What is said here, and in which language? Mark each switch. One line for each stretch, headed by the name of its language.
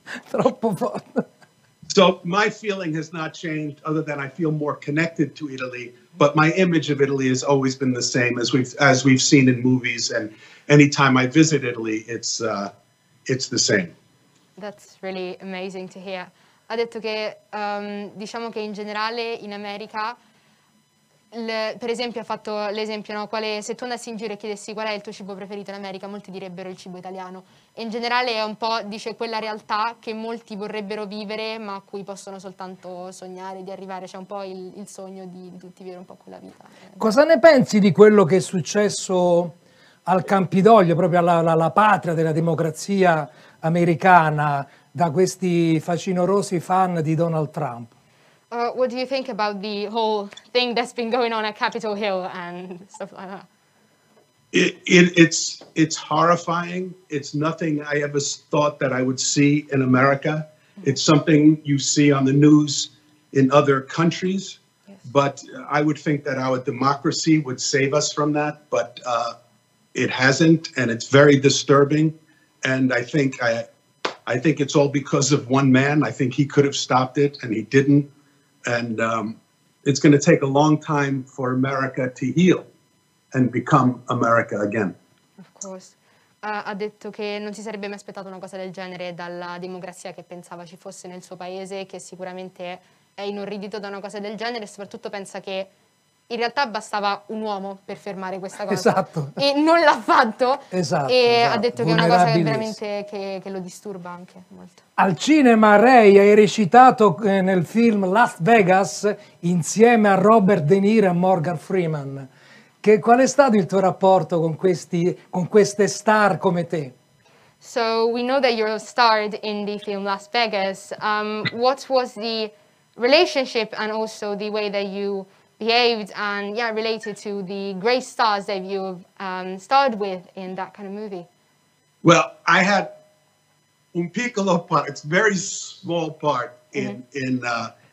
Italian: Troppo forte.
English: So my feeling has not changed other than I feel more connected to Italy, but my image of Italy has always been the same as we've seen in movies, and anytime I visit Italy, it's the same. That's really amazing to hear.
Italian: Ha detto che diciamo che in generale in America, per esempio, ha fatto l'esempio, no? Quale, se tu andassi in giro e chiedessi qual è il tuo cibo preferito in America, molti direbbero il cibo italiano. E in generale è un po', dice, quella realtà che molti vorrebbero vivere, ma a cui possono soltanto sognare di arrivare. C'è un po' il sogno di tutti vivere un po' quella vita. Cosa ne pensi di quello che è successo al Campidoglio, proprio alla patria della democrazia americana, da questi facinorosi fan di Donald Trump?
English: What do you think about the whole thing that's been going on at Capitol Hill and stuff like that? It's horrifying. It's nothing I ever thought that I would see in America. It's something you see on the news in other countries. Yes. But I would think that our democracy would save us from that. But it hasn't, and it's very disturbing. And I think it's all because of one man. I think he could have stopped it, and he didn't. And it's going to take a long time for America to heal and become America again. Of course.
Italian: Ha detto che non si sarebbe mai aspettato una cosa del genere dalla democrazia che pensava ci fosse nel suo paese, che sicuramente è inorridito da una cosa del genere, e soprattutto pensa che in realtà bastava un uomo per fermare questa cosa. Esatto. E non l'ha fatto. Esatto. E esatto. Ha detto che è una cosa veramente che lo disturba anche molto. Al cinema, Ray, hai recitato nel film Las Vegas insieme a Robert De Niro e Morgan Freeman. Che, qual è stato il tuo rapporto con questi, con queste star come te?
English: So, we know that you're starred in the film Las Vegas. What was the relationship and also the way that you behaved and, yeah, related to the great stars that you've starred with in that kind of movie? Well, I had
Italian: un piccolo
English: part, it's a very small part in mm-hmm.